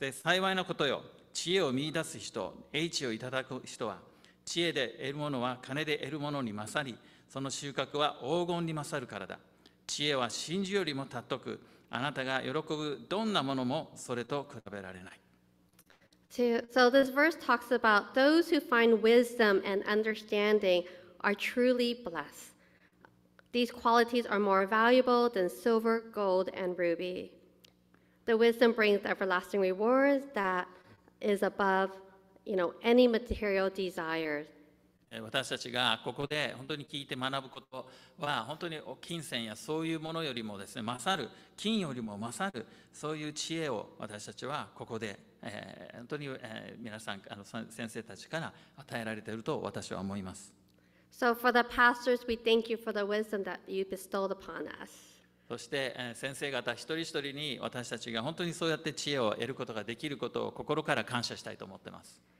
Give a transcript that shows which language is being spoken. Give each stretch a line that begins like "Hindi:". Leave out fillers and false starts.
Japanese: で、幸いなことよ、知恵を見出す人、英知をいただく人は、知恵で得るものは金で得るものに勝り、その収穫は黄金に勝るからだ。知恵は真珠よりも尊く、あなたが喜ぶどんなものもそれと比べられない。
English: So this verse talks about those who find wisdom and understanding are truly blessed. These qualities are more valuable than silver, gold, and ruby. The wisdom brings everlasting rewards that is above, you know, any material desires.
Japanese: 私たちがここで本当に聞いて学ぶことは本当に金銭やそういうものよりもですね、勝る金よりも勝るそういう知恵を私たちはここで本当に皆さん先生たちから与えられていると私は思います。
English: So for the pastors, we thank you for the wisdom that you bestowed upon us.
Japanese: そして先生方一人一人に私たちが本当にそうやって知恵を得ることができることを心から感謝したいと思っています。